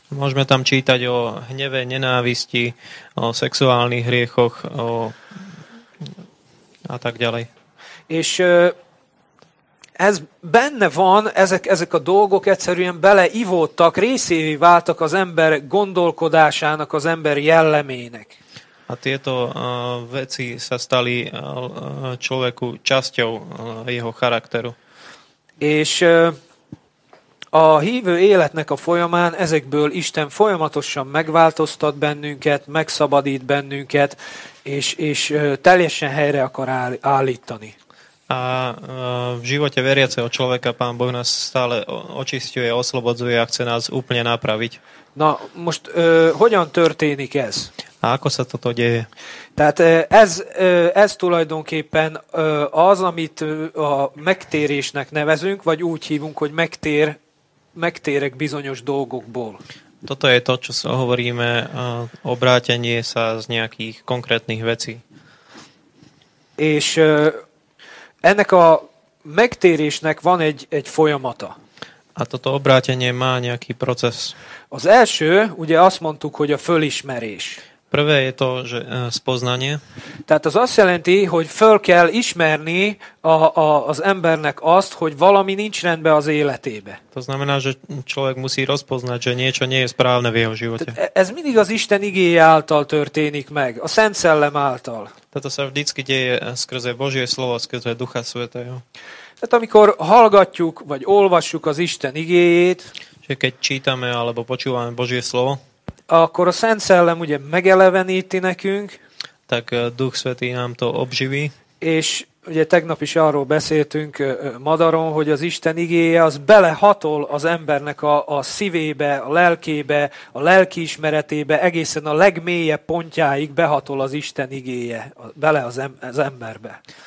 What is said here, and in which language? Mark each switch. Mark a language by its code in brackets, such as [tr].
[sk] Môžeme tam čítať o hneve, nenávisti, o sexuálnych hriechoch a tak ďalej. [hu] És ez benne van, ezek a dolgok egyszerűen beleivódtak, részévé váltak az ember gondolkodásának, az ember jellemének. [sk] A tieto veci sa stali človeku časťou jeho charakteru. [hu] És a hívő életnek a folyamán ezekből Isten folyamatosan megváltoztat bennünket, megszabadít bennünket, és teljesen helyre akar állítani. [sk] A v živote veriaceho človeka Pán Boh nás stále očisťuje, oslobodzuje a chce nás úplne napraviť. [hu] Na, most hogyan történik ez? [sk] A ako sa toto deje? [hu] Tehát ez tulajdonképpen az, amit a megtérésnek nevezünk, vagy úgy hívunk, hogy megtérek bizonyos dolgokból. [sk] Toto je to, čo hovoríme, obrátenie sa z nejakých konkrétnych vecí. [hu] És ennek a megtérésnek van egy folyamata. [sk] A toto obrátenie má nejaký proces. [hu] Az első, ugye azt mondtuk, hogy a fölismerés. [sk] Prvé je to, že spoznanie. [hu] Tehát az azt jelenti, hogy föl kell ismerni az embernek azt, hogy valami nincs rendben az életébe. [sk] To znamená, že človek musí rozpoznať, že niečo nie je správne v jeho živote. [hu] Ez mindig az Isten igéje által történik meg, a Szent Szellem által. [sk] Tehát sa vždycky deje skrze Božie slovo, skrze Ducha Svätého. [hu] Tehát amikor hallgatjuk, vagy olvassuk az Isten igéjét, [sk] že keď čítame, alebo počúvame Božie slovo, [hu] akkor a Szent Szellem ugye megeleveníti nekünk. [sk] Tak Duch Svätý nám to obživí. [hu] És ugye tegnap is arról beszéltünk Madaron, hogy az Isten igéje az belehatol az embernek a szívébe, a lelkébe, a lelkiismeretébe, egészen a legmélyebb pontjáig behatol az Isten igéje bele az emberbe.